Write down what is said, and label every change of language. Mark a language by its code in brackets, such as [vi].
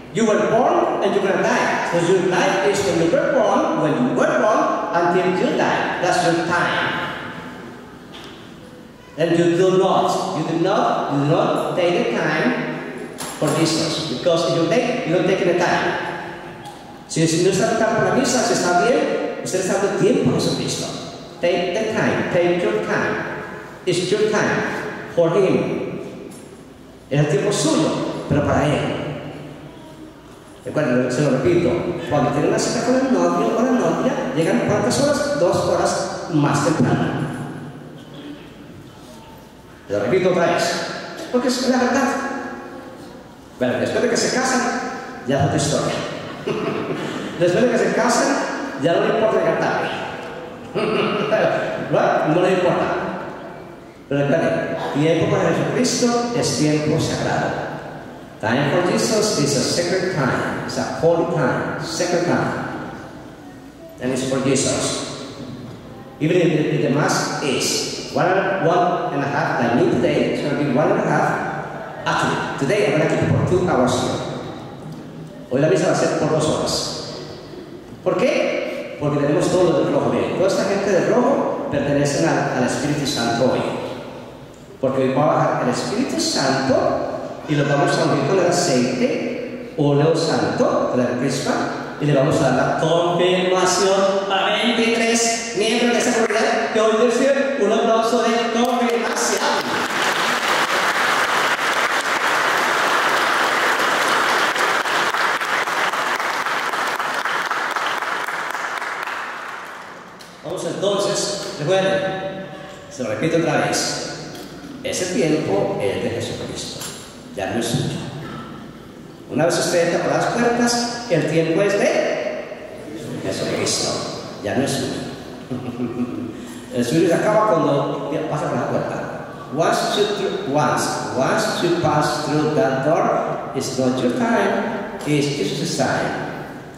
[en] You were born and you're gonna die. Because your life is when you were born until you die. That's your time. And you do not take the time for Jesus. Because if you take, you don't take the time. [es] Si el Señor está en tiempo para misa, si está bien, usted está en tiempo para Jesucristo. [en] Take the time, take your time. It's your time for Him. [es] Es el tiempo suyo, pero para él. Recuerden, se lo repito, cuando tiene una cita con el novio o la novia, llegan ¿cuántas horas? Dos horas más temprano. Lo repito otra vez, porque es la verdad. Bueno, después de que se casan, ya es otra historia. Después de que se casan, ya no le importa llegar tarde. No le importa. Pero recuerden, tiempo para Jesucristo es tiempo sagrado. [en] Time for Jesus is a sacred time. It's a holy time. Sacred time. And it's for Jesus. Even if the mass is one and a half, I mean today, it's going to be 1.5. Actually, today I'm going to keep it for 2 hours here. [es] Hoy la misa va a ser por 2 horas. ¿Por qué? Porque tenemos todo de rojo. Bien, toda esta gente de rojo pertenece al Espíritu Santo hoy. Porque hoy va a bajar el Espíritu Santo y lo vamos a unir con el aceite, óleo santo, la crisma, y le vamos a dar la confirmación a 23 miembros de esta comunidad que hoy reciben un aplauso de confirmación. Vamos entonces, recuerden, se lo repito otra vez. Ese tiempo es de Jesucristo, ya no es suyo. Una vez usted entra por las puertas, el tiempo es de Jesucristo, ya no es suyo. El suyo se acaba cuando pasa por la puerta. [en] Once you pass through that door, it's not your time, it's Jesus' time.